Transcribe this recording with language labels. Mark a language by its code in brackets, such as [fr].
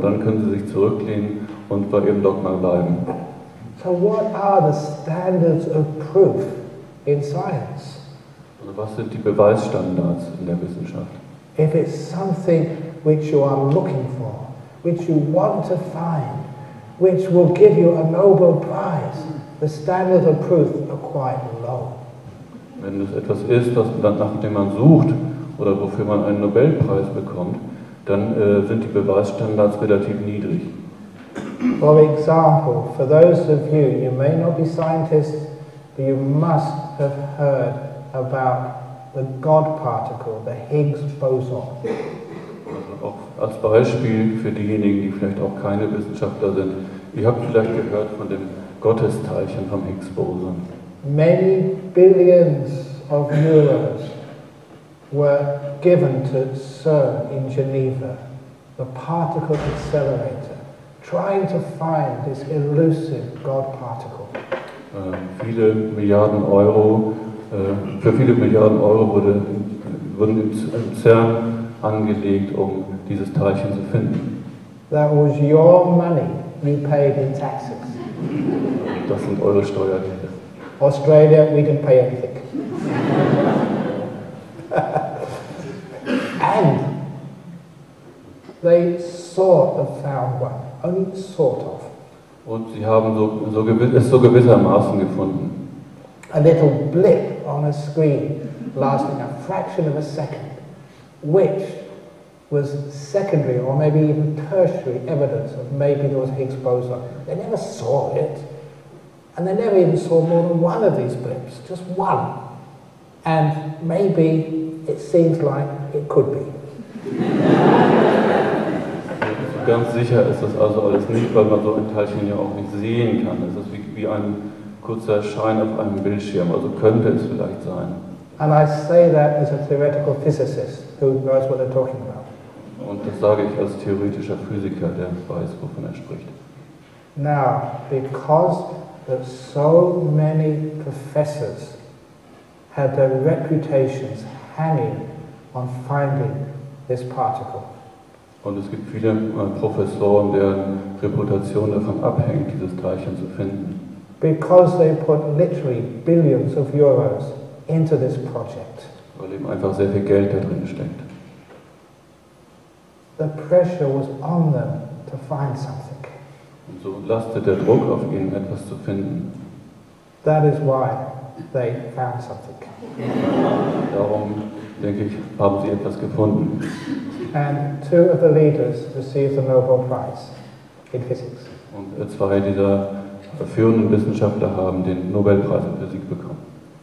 [de] Und dann können Sie sich zurücklehnen und bei Ihrem Dogma bleiben. [en] So what are the standards of proof in science? [de] Also was sind die Beweisstandards in der Wissenschaft? [en] If it's something which you are looking for, which you want to find, which will give you a Nobel Prize, the standards of proof are quite low. [de] Wenn es etwas ist, nach dem man sucht oder wofür man einen Nobelpreis bekommt, dann sind die Beweisstandards relativ niedrig. [en] For example, for those of you, you may not be scientists, but you must have heard about the God particle, the Higgs boson. [de] Als Beispiel für diejenigen, die vielleicht auch keine Wissenschaftler sind, ihr habt vielleicht gehört von dem Gottesteilchen vom Higgs-Boson. [en] Many billions of euros were given to CERN in Geneva, the particle accelerator, trying to find this elusive God particle. [de] Viele Milliarden Euro, für viele Milliarden Euro wurden im CERN angelegt, um dieses Teilchen zu finden. [en] That was your money you paid in taxes. [de] Das sind eure Steuergelder. [en] Australia, we didn't pay anything. And they sort of found one, only sort of. [de] Und sie haben so gewissermaßen gefunden. [en] A little blip on a screen lasting a fraction of a second, which was secondary or maybe even tertiary evidence of maybe there was Higgs boson. They never saw it, and they never even saw more than one of these blips, just one. And maybe it seems like it could be. [de] Ganz sicher ist das also alles nicht, weil man so ein Teilchen ja auch nicht sehen kann. Es ist wie ein kurzer Schein auf einem Bildschirm, also könnte es vielleicht sein. [en] And I say that as a theoretical physicist who knows what they're talking about. [de] Und das sage ich als theoretischer Physiker, der weiß, wovon spricht. [en] Now, because that so many professors had their reputations hanging on finding this particle. [de] Und es gibt viele Professoren, deren Reputation davon abhängt, dieses Teilchen zu finden. [en] Because they put literally billions of euros into this project. [de] Weil eben einfach sehr viel Geld da drin steckt. [en] The pressure was on them to find something. [de] Und so lastet der Druck auf ihnen, etwas zu finden. [en] That is why they found something. [de] Darum, denke ich, haben sie etwas gefunden. [en] And two of the leaders received the Nobel Prize in physics. [de] Und zwei dieser führenden Wissenschaftler haben den Nobelpreis in Physik bekommen.